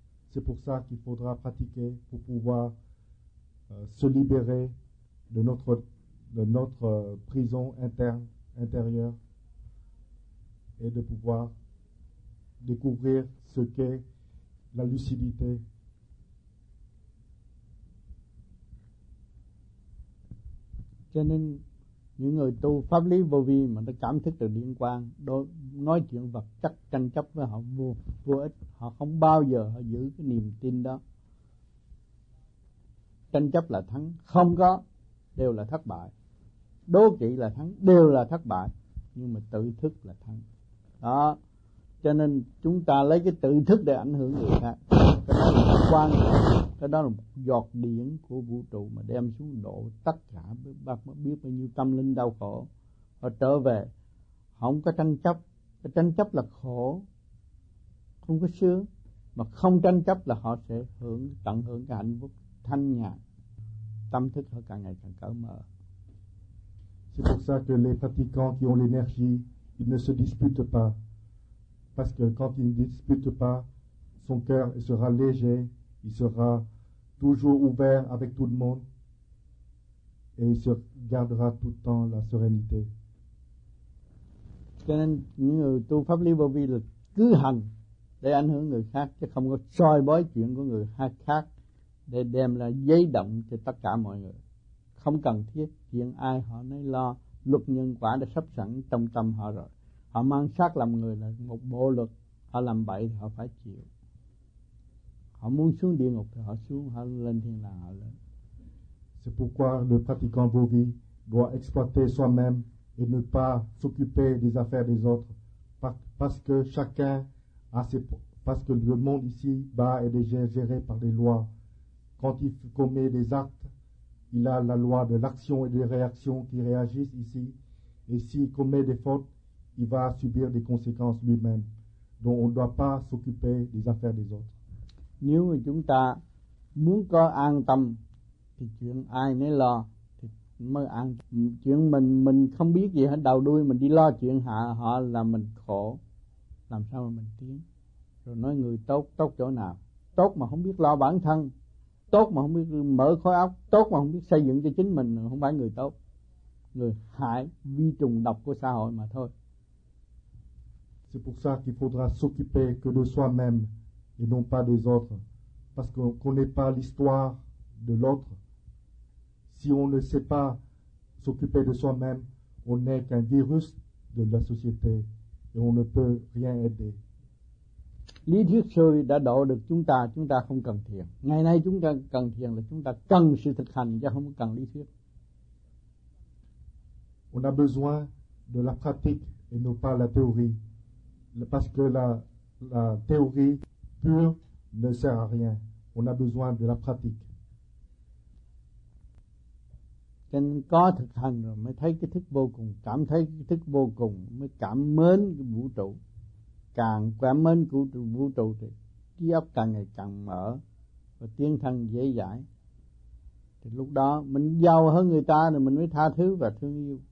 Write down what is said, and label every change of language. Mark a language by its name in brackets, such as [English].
[French] C'est pour ça qu'il faudra pratiquer pour pouvoir se libérer de notre prison intérieure et de pouvoir découvrir ce qu'est la lucidité. [Vietnamese] Cho nên những người tu pháp lý vô vi mà nó cảm thức được điện quang, nói chuyện vật chất tranh chấp với họ vô ích, họ không bao giờ họ giữ cái niềm tin đó. Tranh chấp là thắng, không có đều là thất bại. Đố kỵ là thắng, đều là thất bại, nhưng mà tự thức là thắng. Đó. Cho nên chúng ta lấy cái tự thức để ảnh hưởng người khác, cái đó là quan trọng, cái đó là một giọt điển của vũ trụ mà đem xuống độ tất cả biết bao nhiêu tâm linh đau khổ và trở về. Không có tranh chấp, cái tranh chấp là khổ, không có sướng. Mà không tranh chấp là họ sẽ hưởng tận hưởng cái hạnh phúc thanh nhàn, tâm thức họ càng ngày càng cởi mở. [French] C'est pour ça que les pratiquants qui ont l'énergie, ils ne se disputent pas. Parce que quand il ne dispute pas, son cœur sera léger, il sera toujours ouvert avec tout le monde et il se gardera tout le temps la sérénité. [Vietnamese] Cho nên những người tu pháp lý vô vi là cứ hành để ảnh hưởng người khác, chứ không có soi bói chuyện của người khác để đem là dây động cho tất cả mọi người. Không cần thiết, chuyện ai họ nấy lo, luật nhân quả đã sắp sẵn trong tâm họ rồi. Họ mang xác làm người là một bộ luật, họ làm bậy thì họ phải chịu. Họ muốn xuống địa ngục thì họ xuống, họ lên thiên đàng họ lên. [French] C'est pourquoi le pratiquant vô vi doit exploiter soi-même et ne pas s'occuper des affaires des autres, parce que chacun a ses, parce que le monde ici bas est déjà géré par des lois. Quand il commet des actes, il a la loi de l'action et des réactions qui réagissent ici, et s'il commet des fautes, il va subir des conséquences lui-même. Donc on ne doit pas s'occuper des affaires des autres. [Vietnamese] Nếu mà chúng ta muốn có an tâm thì chuyện ai nấy lo thì mới an. Chuyện mình không biết gì hết, đầu đuôi mình đi lo chuyện họ là mình khổ. Làm sao mà mình tiến? Rồi nói người tốt chỗ nào? Tốt mà không biết lo bản thân, tốt mà không biết mở khối óc, tốt mà không biết xây dựng cho chính mình, không phải người tốt. Người hại vi trùng độc của xã hội mà thôi. [French] C'est pour ça qu'il faudra s'occuper que de soi-même et non pas des autres, parce qu'on ne connaît pas l'histoire de l'autre. Si on ne sait pas s'occuper de soi-même, on n'est qu'un virus de la société et on ne peut rien aider. [Vietnamese] Lý thuyết xưa đã độ được chúng ta không cần thiền. Ngày nay chúng ta cần thiền là chúng ta cần sự thực hành chứ không cần lý thuyết. [French] On a besoin de la pratique et non pas la théorie. Parce que la théorie pure ne sert à rien. On a besoin de la pratique. [Vietnamese] Kinh có thực hành rồi mới thấy cái thức vô cùng, cảm thấy cái thức vô cùng mới cảm mến cái vũ trụ. Càng cảm mến cái vũ trụ thì trí óc càng ngày càng mở và tiến thân dễ dãi. Thì lúc đó mình giàu hơn người ta thì mình mới tha thứ và thương yêu.